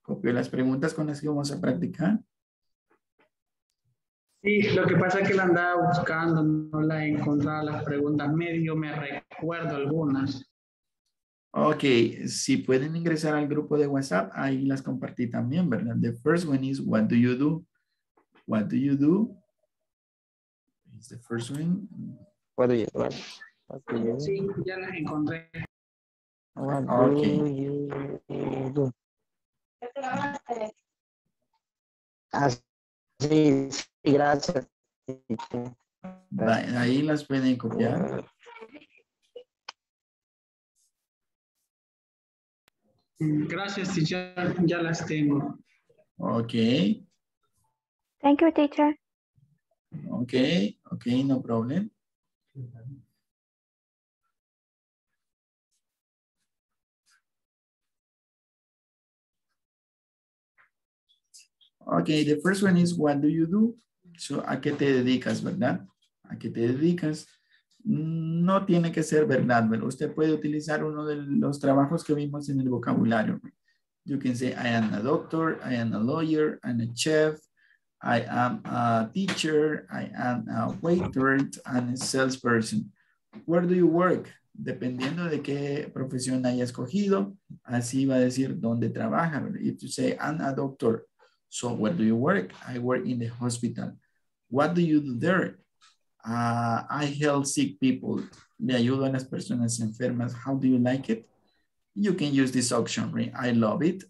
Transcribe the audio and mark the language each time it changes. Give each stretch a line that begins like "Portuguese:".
Spanish: ¿Copio las preguntas con las que vamos a practicar? Sí, lo que pasa es que la andaba buscando, no la he encontrado las preguntas, medio me recuerdo algunas. Ok, si pueden ingresar al grupo de WhatsApp, ahí las compartí también, ¿verdad?
English: The first one is, what do you do? What do you do? It's the first one. What do you do?
Spanish: Sí, ya las encontré. Gracias. Ahí las pueden copiar. Gracias, teacher. Ya las tengo.
English: Okay. Thank you, teacher. Okay, no problem. Okay, the first one is, what do you do?
Spanish: So, ¿a qué te dedicas, verdad? ¿A qué te dedicas? No tiene que ser verdad, pero usted puede utilizar uno de los trabajos que vimos en el vocabulario.
English: You can say, I am a doctor, I am a lawyer, I'm a chef, I am a teacher, I am a waiter, and a salesperson. Where do you work?
Spanish: Dependiendo de qué profesión haya escogido, así va a decir, ¿dónde trabaja?
English: If you say, I'm a doctor. So where do you work? I work in the hospital. What do you do there? I help sick people.
Spanish: Le ayudo a las personas enfermas.
English: How do you like it? You can use this option, right? I love it.